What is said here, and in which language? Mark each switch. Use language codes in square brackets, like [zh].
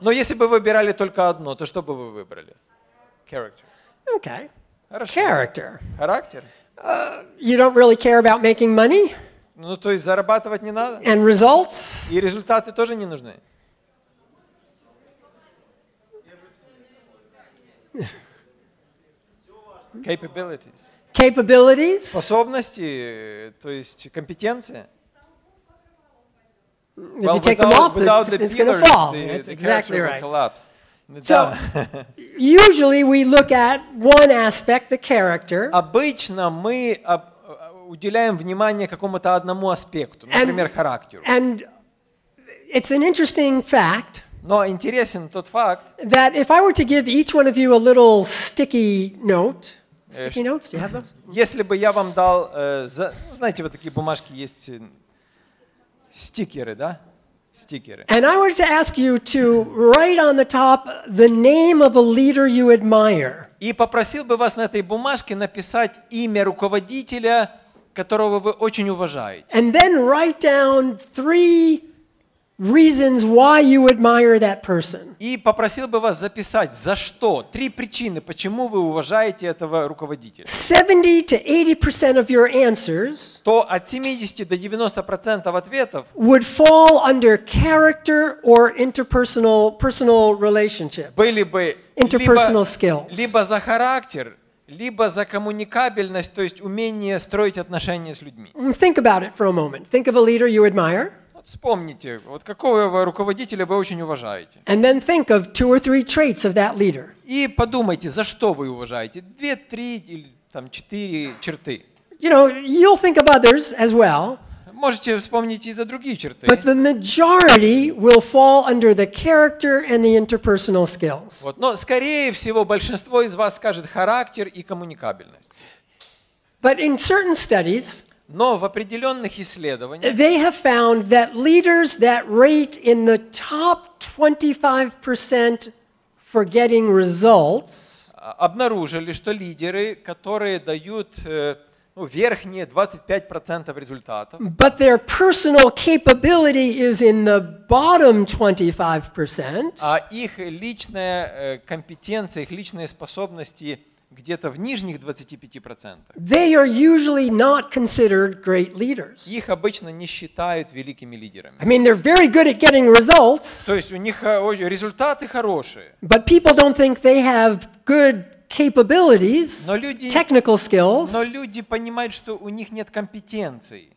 [ru] Но если бы выбирали только одно, то что бы вы выбрали? [en] Character. Okay. [ru] Хорошо. [en] Character. [ru] Характер. [en] You don't really care about making money? [ru] Ну, то есть зарабатывать не надо. [en] And results? [ru] И результаты тоже не нужны. [en] Capabilities. Capabilities? [ru] Способности, то есть компетенции. [en] If you take them off, it's going to fall. That's exactly right. So, usually we look at one aspect, the character. [ru] Обычно мы уделяем внимание какому-то одному аспекту, например, характеру. [en] And it's an interesting fact. [ru] Но интересен тот факт. [en] That if I were to give each one of you a little sticky note. Sticky notes, do you have those? [ru] Если бы я вам дал, знаете, вот такие бумажки есть, стикеры, да? Стикеры. [en] And I were to ask you to write on the top the name of a leader you admire. [ru] И попросил бы вас на этой бумажке написать имя руководителя, которого вы очень уважаете. [en] And then write down three reasons why you admire that person. [ru] И попросил бы вас записать за что три причины, почему вы уважаете этого руководителя. [en] 70-80% of your answers. [ru] То от 70-90% ответов. [en] Would fall under character or interpersonal relationships. [ru] Были бы [en] interpersonal skills. [ru] Либо за характер, либо за коммуникабельность, то есть умение строить отношения с людьми. [en] Think about it for a moment. Think of a leader you admire. [ru] Вспомните, вот какого руководителя вы очень уважаете. [en] And then think of two or three traits of that leader. [ru] И подумайте, за что вы уважаете. Две, три или там четыре черты. [en] You know, you'll think of others as well. [ru] Можете вспомнить и за другие черты. [en] But the majority will fall under the character and the interpersonal skills. [ru] Вот. Но, скорее всего, большинство из вас скажет характер и коммуникабельность. [en] But in certain studies, [ru] но в определенных исследованиях [en] they have found that leaders that rate in the top 25% for getting results [ru] обнаружили, что лидеры, которые дают верхние 25% результатов, [en] but their personal capability is in the bottom 25%, [ru] а их личная компетенция, их личные способности где-то в нижних 25%. [en] They are usually not considered great leaders. [ru] Их обычно не считают великими лидерами. [en] I mean, they're very good at getting results. [ru] То есть у них результаты хорошие. [en] But people don't think they have good capabilities, technical skills. [ru] Но люди понимают, что у них нет компетенций.